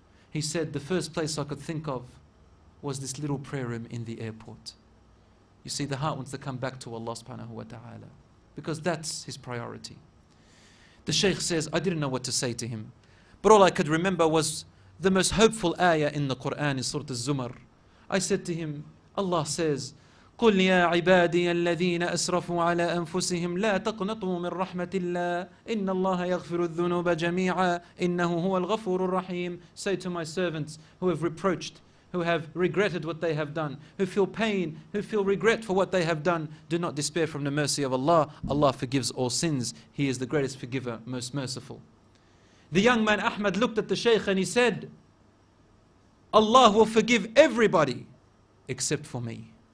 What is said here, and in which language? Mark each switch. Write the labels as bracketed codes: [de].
[en] He said, the first place I could think of was this little prayer room in the airport. You see, the heart wants to come back to Allah subhanahu wa ta'ala because that's his priority. The Shaykh says, I didn't know what to say to him, but all I could remember was the most hopeful ayah in the Quran, in Surah Az-Zumar. I said to him, Allah says, [ar] قُلْ يَا عِبَادِيَ الَّذِينَ أَسْرَفُوا عَلَىٰ أَنفُسِهِمْ لَا تَقْنَطُوا مِنْ رَحْمَةِ اللَّهِ إِنَّ اللَّهَ يَغْفِرُ الذُّنُوبَ جَمِيعًا إِنَّهُ هُوَ الْغَفُورُ الرَّحِيمُ. [en] Say to my servants who have reproached, who have regretted what they have done, who feel pain, who feel regret for what they have done, do not despair from the mercy of Allah. Allah forgives all sins. He is the greatest forgiver, most merciful. The young man Ahmed looked at the Shaykh and he said, Allah will forgive everybody except for me.